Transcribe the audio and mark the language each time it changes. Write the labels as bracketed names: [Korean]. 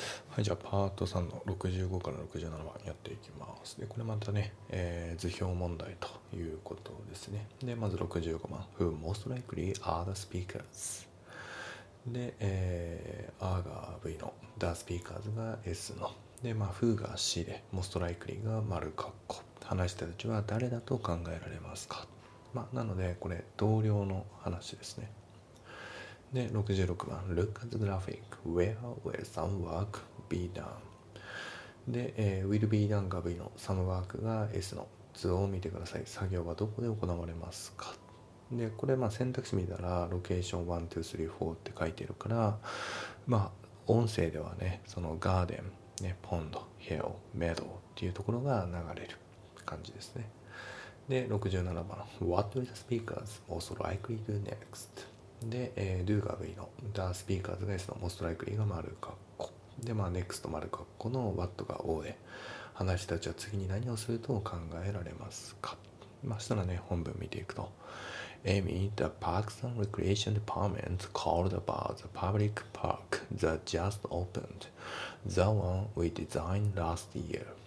[Japanese] はい、じゃあパート3の65から67番やっていきます。でこれまたね、図表問題ということですね。でまず65番、 [English] Who most likely are the speakers? [Japanese] で、R が V の The speakers が S ので、まあ Who が C で most likely が丸括弧、話した人たちは誰だと考えられますか。まあ、なのでこれ同僚の話ですね。で66番、 [English] Look at the graphic. Where will some work be done? [Japanese] で、Will be done が V の、 Some work が S の、図を見てください。作業はどこで行われますか。でこれまあ選択肢見たら Location 1,2,3,4 って書いてるから、まあ音声ではね、そのガーデン、ね、ポンド、ヘオ、メドっていうところが流れる感じですね。で67番、 [English] What will the speakers most likely do next? [Japanese] で、do が V の、the speakers が S の、most likely が丸括弧。で、まあ、next 丸括弧の what が O で、話したちは次に何をすると考えられますか。まあ、したらね、本文見ていくと。 [English] Amy, the Parks and Recreation Department called about the public park that just opened, the one we designed last year.